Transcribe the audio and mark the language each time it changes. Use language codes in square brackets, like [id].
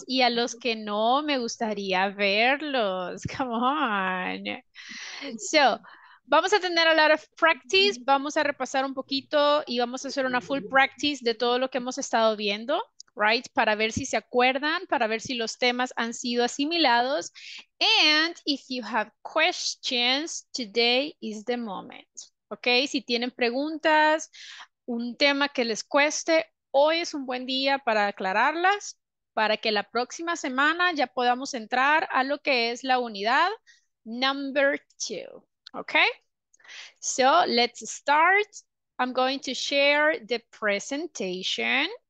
[es] Y a los que no, me gustaría verlos. [en] Come on. So, [es] vamos a tener [en] a lot of practice. [es] Vamos a repasar un poquito y vamos a hacer una [en] full practice [es] de todo lo que hemos estado viendo. Right. Para ver si se acuerdan, para ver si los temas han sido asimilados. [en] And if you have questions, today is the moment. Ok. [es] Si tienen preguntas, un tema que les cueste, hoy es un buen día para aclararlas, para que la próxima semana ya podamos entrar a lo que es la unidad number 2, okay? [en] So, let's start. I'm going to share the presentation.